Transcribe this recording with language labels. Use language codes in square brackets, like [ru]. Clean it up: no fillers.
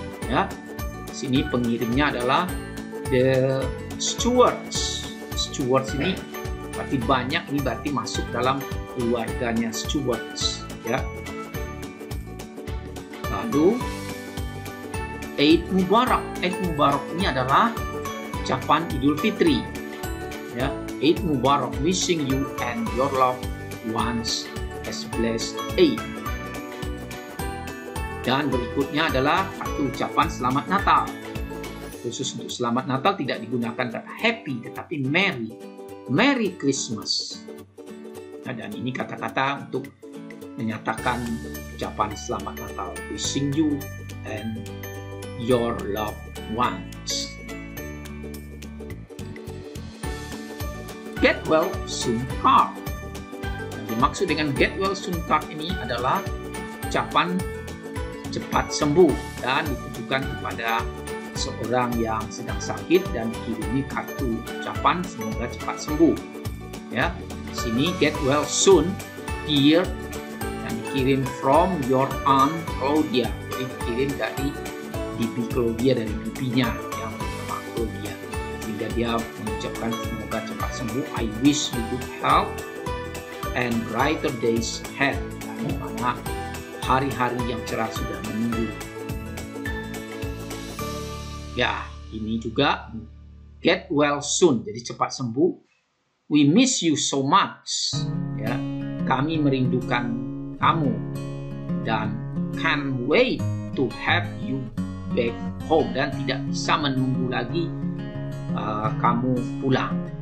[id] Ya, sini pengirimnya adalah the Stewards. Stewards ini berarti banyak, ini berarti masuk dalam keluarganya Stewards. Ya. Lalu Eid Mubarak. Eid Mubarak ini adalah ucapan Idul Fitri. [en] Ya, Eid Mubarak, wishing you and your loved ones as blessed Eid. [id] Dan berikutnya adalah kartu ucapan Selamat Natal. Khusus untuk Selamat Natal tidak digunakan kata happy, tetapi merry. Merry Christmas. Nah, dan ini kata-kata untuk menyatakan ucapan Selamat Natal. [en] Wishing you and your loved ones. Get well soon card. [id] Yang dimaksud dengan get well soon card ini adalah ucapan cepat sembuh dan ditujukan kepada seorang yang sedang sakit dan dikirimi kartu ucapan semoga cepat sembuh. Ya, sini [en] get well soon dear [id] yang dikirim [en] from your aunt Claudia. [id] Jadi dikirim dari bibi Claudia, dari bibinya yang bernama Claudia. Sehingga dia mengucapkan semoga cepat sembuh. [en] I wish you good health and brighter days ahead. [id] Dan dimana hari-hari yang cerah sudah menunggu. Ya, ini juga get well soon, jadi cepat sembuh. [en] We miss you so much. [id] Ya, kami merindukan kamu [en] dan can't wait to have you back home, [id] dan tidak bisa menunggu lagi kamu pulang.